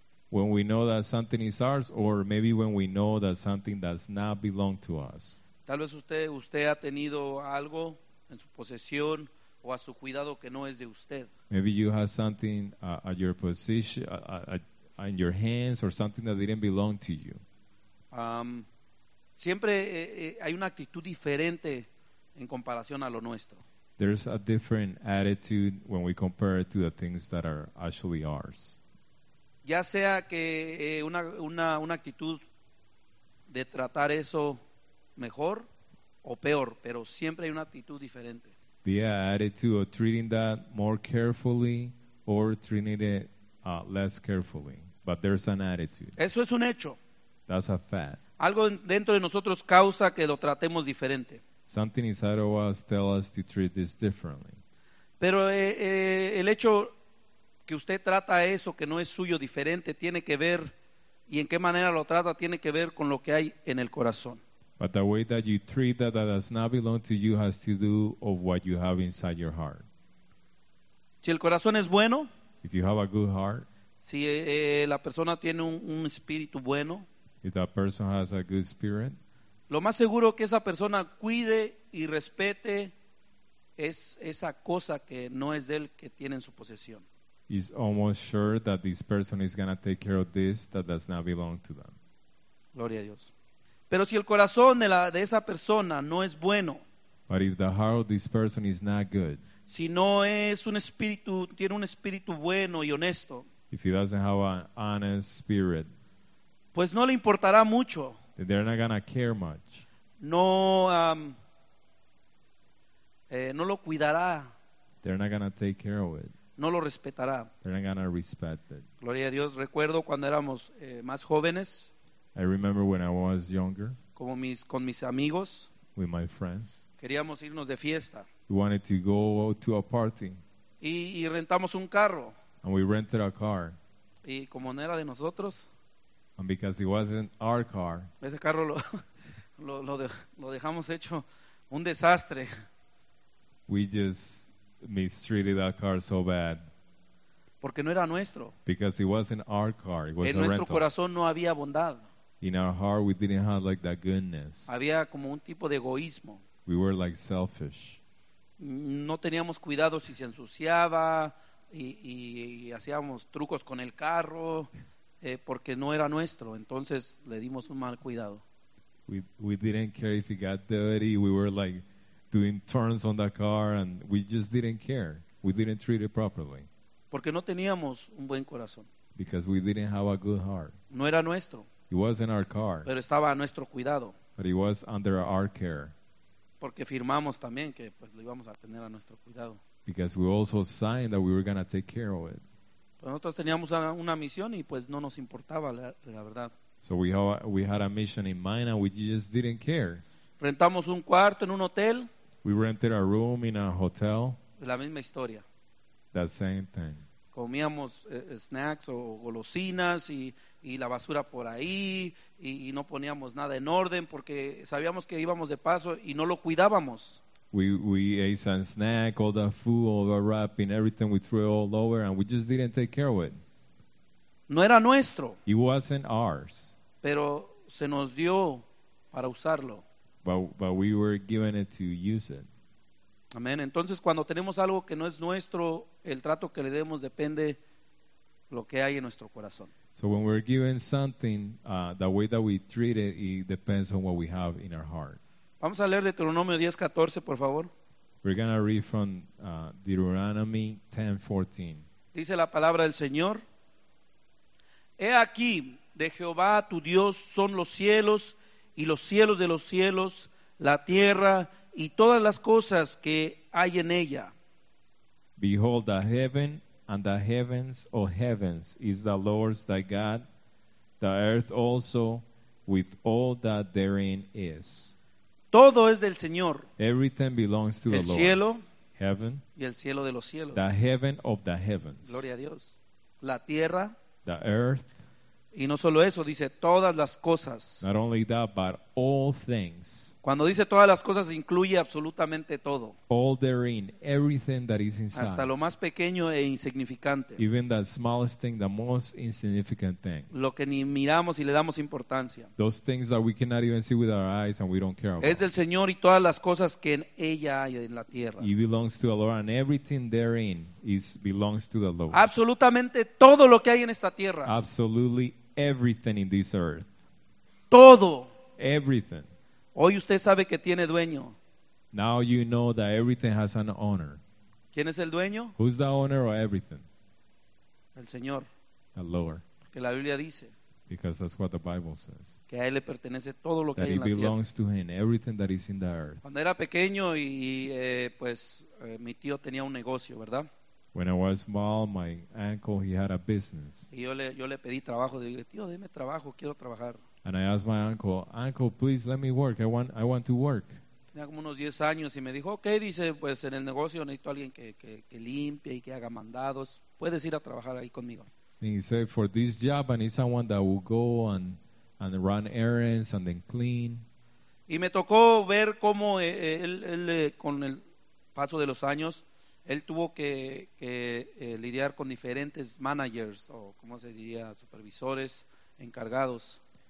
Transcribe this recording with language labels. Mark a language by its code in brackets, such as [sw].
[en] When we know that something is ours, or maybe when we know that something does not belong to us. [es] Tal vez usted ha tenido algo en su posesión o a su cuidado que no es de usted. [en] Maybe you have something at your position, in your hands, or something that didn't belong to you. [es] Siempre hay una actitud diferente en comparación a lo nuestro. [en] There's a different attitude when we compare it to the things that are actually ours. [es] Ya sea que una actitud de tratar eso mejor o peor, pero siempre hay una actitud diferente. [en] Be an attitude of treating that more carefully or treating it less carefully. But there's an attitude. [es] Eso es un hecho. [en] That's a fact. [es] Algo dentro de nosotros causa que lo tratemos diferente. [en] Something inside of us tells us to treat this differently. [es] Pero el hecho que usted trata eso que no es suyo diferente tiene que ver, y en qué manera lo trata, tiene que ver con lo que hay en el corazón. [en] But the way that you treat that does not belong to you has to do of what you have inside your heart. [es] Si el corazón es bueno. [en] If you have a good heart. [es] Si la persona tiene un espíritu bueno. [en] If that person has a good spirit. [es] Lo más seguro que esa persona cuide y respete es esa cosa que no es de él, que tiene en su posesión. [en] It's almost sure that this person is going to take care of this that does not belong to them. [es] Gloria a Dios. Pero si el corazón de esa persona no es bueno. [en] But if the heart of this person is not good. [es] Si no es un espíritu, tiene un espíritu bueno y honesto. [en] If he doesn't have an honest spirit. [es] Pues no le importará mucho. [en] They're not gonna care much. [es] No, no lo cuidará. [en] They're not gonna take care of it. [es] No lo respetará. [en] They're not gonna respect it. [es] Gloria a Dios. Recuerdo cuando éramos más jóvenes. [en] I remember when I was younger. [es] Como con mis amigos. [en] With my friends. [es] Queríamos irnos de fiesta. [en] We wanted to go to a party. [es] Y rentamos un carro. [en] And we rented a car. [es] Y como no era de nosotros. [en] And because it wasn't our car. [es] Ese carro lo dejamos hecho un desastre. [en] We just mistreated that car so bad. [es] Porque no era nuestro. [en] Because it wasn't our car. It was a rental. [es] En nuestro corazón no había bondad. [en] In our heart we didn't have like that goodness. [es] Había como un tipo de egoísmo. [en] We were like selfish. [es] No teníamos cuidado si se ensuciaba y hacíamos trucos con el carro. Porque no era nuestro, entonces le dimos un mal cuidado. [en] We didn't care if it got dirty. We were like doing turns on the car, and we just didn't care. We didn't treat it properly. [es] Porque no teníamos un buen corazón. [en] Because we didn't have a good heart. [es] No era nuestro. [en] It wasn't our car. [es] Pero estaba a nuestro cuidado. [en] But it was under our care. [es] Porque firmamos también que pues lo íbamos a tener a nuestro cuidado. [en] Because we also signed that we were gonna take care of it. [es] Nosotros teníamos una misión y pues no nos importaba la verdad. [en] So we had a mission in mind and we just didn't care. [es] Rentamos un cuarto en un hotel. [en] We rented a room in a hotel. [es] La misma historia. [en] The same thing. [es] Comíamos snacks o golosinas y la basura por ahí y no poníamos nada en orden porque sabíamos que íbamos de paso y no lo cuidábamos. [en] We ate some snack, all the food, all the wrapping, everything. We threw it all over, and we just didn't take care of it. [es] No era nuestro. [en] It wasn't ours. [es] Pero se nos dio para usarlo. [en] But we were given it to use it. Amen. [es] Entonces, cuando tenemos algo que no es nuestro, el trato que le demos depende lo que hay en nuestro corazón. [en] So when we're given something, the way that we treat it, it depends on what we have in our heart. [es] Vamos a leer Deuteronomio 10:14, por favor. [en] We're going to read from Deuteronomy 10:14. [es] Dice la palabra del Señor: He aquí, de Jehová tu Dios son los cielos y los cielos de los cielos, la tierra y todas las cosas que hay en ella. [en] Behold, the heaven and the heavens of heavens is the Lord's thy God, the earth also with all that therein is. [es] Todo es del Señor. [en] Everything belongs to [es] el [en] the Lord. [es] El cielo. [en] Heaven. [es] Y el cielo de los cielos. [en] The heaven of the heavens. [es] Gloria a Dios. La tierra. [en] The earth. [es] Y no solo eso, dice todas las cosas. [en] Not only that, but all things. [es] Cuando dice todas las cosas, incluye absolutamente todo. [en] All therein, everything that is inside. [es] Hasta lo más pequeño e insignificante. [en] Even the smallest thing, the most insignificant thing. [es] Lo que ni miramos y le damos importancia. [en] Those things that we cannot even see with our eyes and we don't care about. [es] Es del Señor y todas las cosas que en ella hay en la tierra. [en] It belongs to the Lord and everything therein is belongs to the Lord. [es] Absolutamente todo lo que hay en esta tierra. [en] Absolutely everything in this earth. [es] Todo. [en] Everything. [es] Hoy usted sabe que tiene dueño. [en] Now you know that everything has an owner. [es] ¿Quién es el dueño? [en] Who's the owner of everything? [es] El Señor. [en] The Lord. [es] Que la Biblia dice. [en] Because that's what the Bible says. [es] Que a él le pertenece todo lo que hay en la tierra. [en] That it belongs to him, everything that is in the earth. [es] Cuando era pequeño y pues mi tío tenía un negocio, ¿verdad? [en] When I was small, my uncle, he had a business. [es] Y yo le pedí trabajo. Dije, tío, deme trabajo, quiero trabajar. [en] And I asked my uncle, "Uncle, please let me work. I want to work." [es] Tenía como unos 10 años y me dijo, "Okay, dice, pues en el negocio necesito alguien que limpie y que haga mandados. Puedes ir a trabajar ahí conmigo." [en] And he said, "For this job, I need someone that will go and run errands and then clean." [es] Y me tocó ver cómo él con el paso de los años, él tuvo que lidiar con diferentes managers o cómo se diría, supervisores, encargados.